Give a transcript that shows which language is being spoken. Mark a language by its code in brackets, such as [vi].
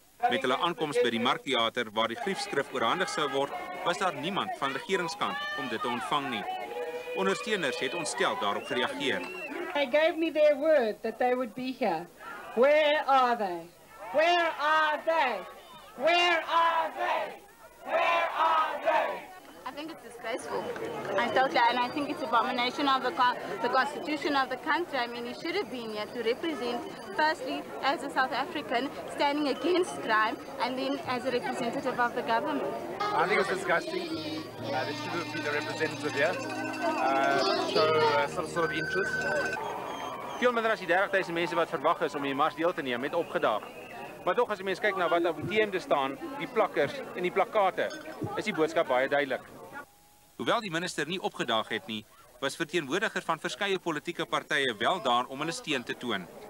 [af] Met hulle aankoms by die Markteater waar die griefskrif oorhandig sou word, was daar niemand van regeringskant om dit te ontvang nie. Ondersteuners het ontstel daarop gereageer. [en] They gave me their word that they would be here. Where are they? Where are they? Where are they? Where are they? I think it's disgraceful. I totally, and I think it's abomination of the constitution of the country. I mean, he should have been here to represent, firstly, as a South African, standing against crime, and then as a representative of the government. I think it's disgusting that he should have been a representative here, show some sort of interest. [af] Veel minder as die 30,000 mense wat verwag is om die mars deel te neem, het opgedaag. Maar tog as jy mens kyk na wat op die teemde staan, die plakkers en die plakkate, is die boodskap baie duidelik. Hoewel die minister nie opgedaag het nie, was verteenwoordigers van verskeie politieke partye wel daar om hulle steun te toon.